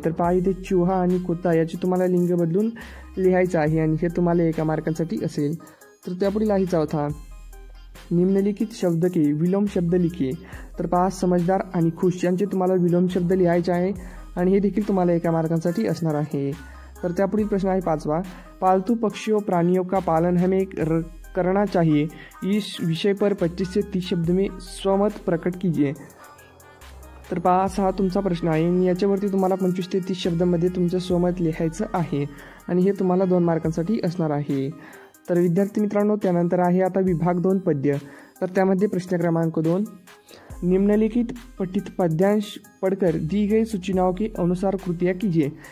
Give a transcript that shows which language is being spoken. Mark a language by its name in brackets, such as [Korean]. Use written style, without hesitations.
[Marathi] तर पहा, इथे चूहा आणि कुत्ता याचे तुम्हाला लिंग बदलून लिहायचं आहे आणि हे तुम्हाला 1 मार्कांसाठी असेल. तर त्यापुढील आहे चौथा [Hindi] निम्नलिखित शब्द के विलोम शब्द लिखिए. [Marathi] तर पहा, समजदार आणि खुश यांचे तुम्हाला विलोम शब्द लिहायचे आहे आणि हे देखील तुम्हाला 1 मार्कांसाठी असणार आहे. तर त्यापुढील प्रश्न आहे पाचवा [Hindi] पालतू पक्षी व प्राणियों का पालन हमें करना चाहिए इस विषय पर 25 से 30 शब्द में स्वमत प्रकट कीजिए. [Marathi] तर पहा, असा हा तुमचा प्रश्न आहे आणि याच्यावरती तुम्हाला 25 ते 30 शब्दांमध्ये तुमचं स्वमत लिहायचं आहे आणि हे तुम्हाला 2 मार्कांसाठी असणार आहे. तर विद्यार्थी मित्रांनो, त्यानंतर आहे आता विभाग 2 पद्य. तर त्यामध्ये प्रश्न क्रमांक 2, [Hindi] निम्नलिखित पठित पद्यांश पडकर दी गई सूचनाओं के अनुसार कृती कीजिए.